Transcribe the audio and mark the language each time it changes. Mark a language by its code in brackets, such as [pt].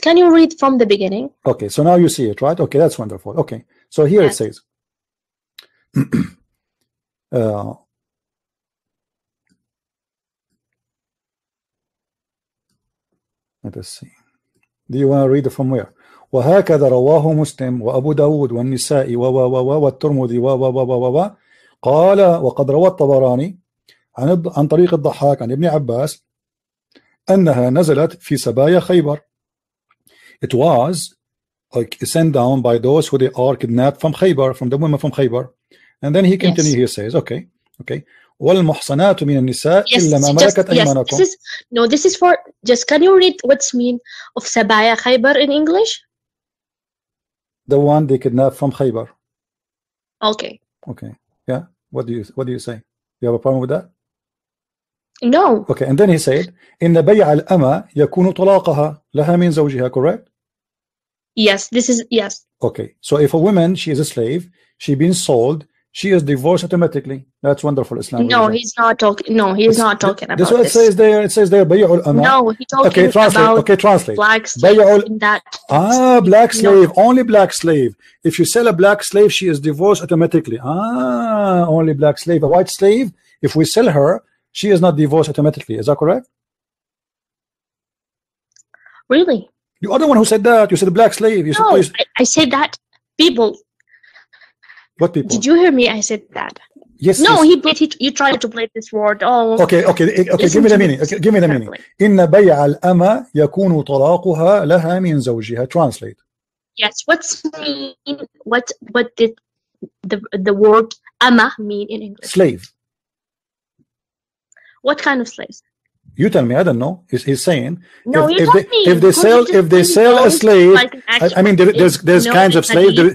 [en] Can you read from the beginning? Okay. So now you see it, right? Okay. That's wonderful. Okay. So here yes. It says, let us see. Do you want to read it from where? [ar] وهكذا رواه مسلم وأبو داود والنسائي والترمذي قال وقد روى الطبراني عن طريق الضحاك عن ابن عباس أنها نزلت في سبايا خيبر. [en] It was like sent down by those who they are kidnapped from Khaybar, from the women from Khaybar. And then he continued, yes. He says, okay. [ar] والمحصنات من النساء إلا ما ملكت أيمانكم. [en] No, this is for, just can you read what's mean of Sabaya Khaybar in English? The one they kidnapped from Khaybar. Okay. Okay. Yeah. What do you say? You have a problem with that? No. Okay. And then he said, [ar] "إن بيع الأمة يكون طلاقها لها من زوجها." [en] Correct? Yes. This is yes. Okay. So if a woman, she is a slave, she been sold, she is divorced automatically. That's wonderful Islam. No, he's not talking. No, he's not talking about this. This is what it says there. It says there, [ar] بيع الأمة. [en] No, he's talking okay, translate. About okay, translate. Black slave. Black slave. No. Only black slave. If you sell a black slave, she is divorced automatically. Only black slave. A white slave, if we sell her, she is not divorced automatically. Is that correct? Really? You are the one who said that. You said a black slave. I said that people. What people? Did you hear me? I said that. Yes. No, yes. You tried to play this word. Oh. Okay. Give me the meaning. [ar] إن بيع الأمة يكون طلاقها لها من زوجها. [en] Translate. Yes. What's mean? What did the word أمة mean in English? Slave. What kind of slaves? You tell me. I don't know. He's saying. No, you told me. If they sell a slave, like I mean, there's no, kinds of slave.